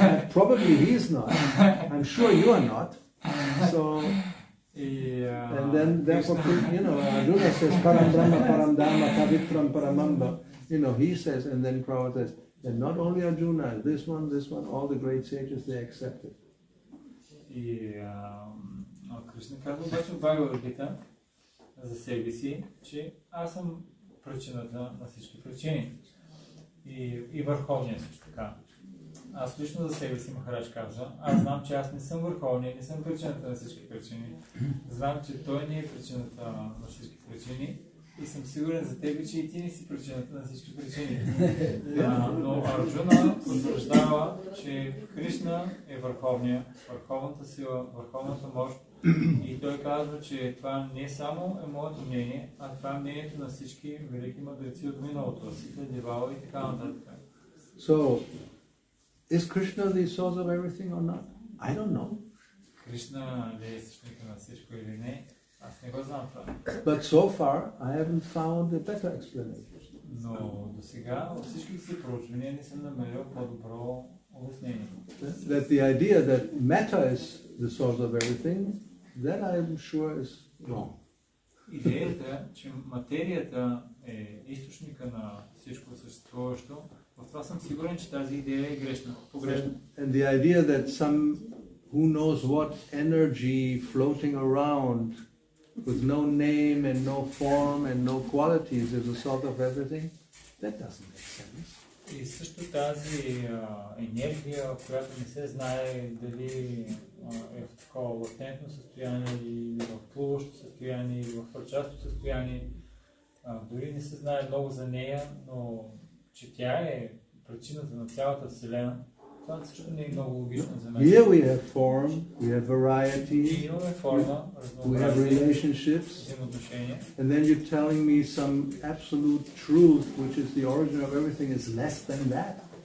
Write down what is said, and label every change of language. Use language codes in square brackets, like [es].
[en] Probably he is not. I'm sure you are not. So, yeah. And then, therefore, you know, Arjuna says, [sa] Param Brahma, Param Dharma, Kavitram, Paramamba. [en] You know, he says, and then Prabhupada says, and not only Arjuna, this one, all the great sages, they accept it. [bg] И Кришна казва обаче в Бхагавад Гита за себе си, че аз съм причината на всички причини. И върховния също така. Аз лично за себе си Махарадж казва, аз знам, че аз не съм върховния, не съм причината на всички причини. Знам, че той не е причината на всички причини. И съм сигурен за тебе, че и ти не си причината на всички причини. Но Арджуна потвърждава, че Кришна е върховния, върховната сила, върховната мощ. И той казва, че това не само е моето мнение, а това е мнението на всички велики мъдреци от миналото, Сита, Девала и така нататък. [en] So, is Krishna the source of everything or not? I don't know. [bg] Кришна ли е същника на всичко или не? [en] But so far, I haven't found a better explanation. [bg] Но до сега от всички си проучвания не съм намерил по-добро обяснение. [en] That the idea that matter is the source of everything, that I am sure is wrong. [bg] Идеята, че материята е източника на всичко съществуващо, в това съм сигурен, че тази идея е грешна, погрешна. [en] And the idea that some who knows what energy floating around with no name and no form and no qualities is the source of everything, that doesn't make sense. [bg] И също тази енергия, която не се знае дали е в такова латентно състояние или в плуващо състояние или в прочасто състояние, дори не се знае много за нея, но че тя е причината на цялата Вселена, това също не е много логично за мен. [en] Here we have form, we have variety, we have relationships, and then you're telling me some absolute truth, which is the origin of everything, is less than that.